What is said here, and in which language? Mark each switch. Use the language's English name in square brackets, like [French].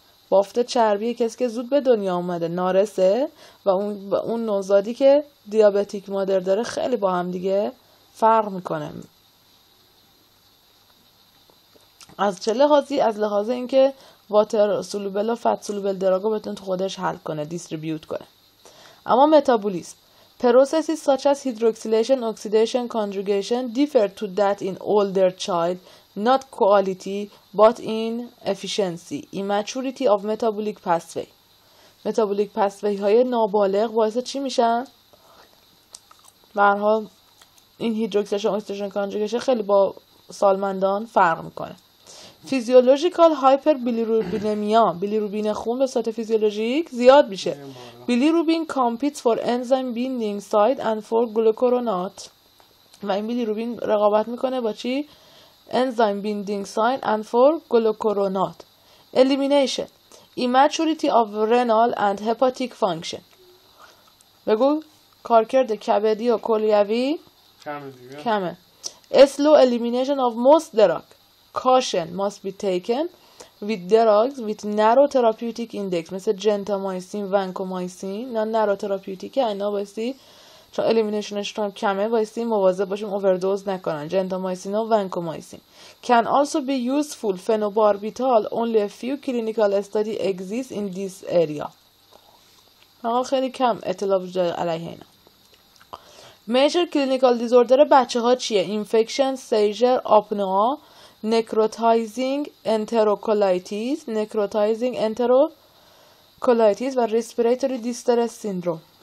[Persian] بافت چربی کسی که زود به دنیا اومده نارسه و اون نوزادی که دیابتیک مادر داره خیلی با هم دیگه فرق میکنه. از چه لحاظی؟ از لحاظ اینکه واتر سولوبل و فت سولوبل دراگو بتونه تو خودش حل کنه، دیستریبیوت کنه. اما متابولیسم پروسسی [English] such as hydroxylation, oxidation, conjugation differ to that in older child, not quality but in efficiency, immaturity of metabolic pathway. [Persian] Metabolic pathway های نابالغ باعث چی میشن؟ برها این hydroxylation, oxidation, conjugation خیلی با سالمندان فرق میکنه. Physiological hyperbilirubinemia، بیلیروبین خون به صورت فیزیولوژیک زیاد میشه. [English] Bilirubin competes for enzyme binding site and for glucuronate. [Persian] و این bilirubin رقابت میکنه با چی؟ [English] Enzyme binding site and for glucuronate. Elimination. Immaturity of renal and hepatic function. [Persian] و بگو کارکرد کبدی و کلیوی کمه. [English] Slow elimination of most drug. Caution must be taken with drugs with narrow therapeutic index. [Persian] مثل جنتامایسین، ونکومایسین، نه نارو تراپیوتیک، اینا بایستی چون الیمینیشنش تو کمه بایستی مواظب باشیم اووردوز نکنن. جنتامایسین و ونکومایسین. [English] Can also be useful [Persian] فنوباربیتال. [English] Only a few clinical study exist in this area. [Persian] آقا خیلی کم اطلاع وجود داره علیه اینا. [English] Major clinical disorder [Persian] بچه ها چیه؟ [English] Infection, seizure, apnea, necrotizing enterocolitis, necrotizing enterocolitis و respiratory distress syndrome.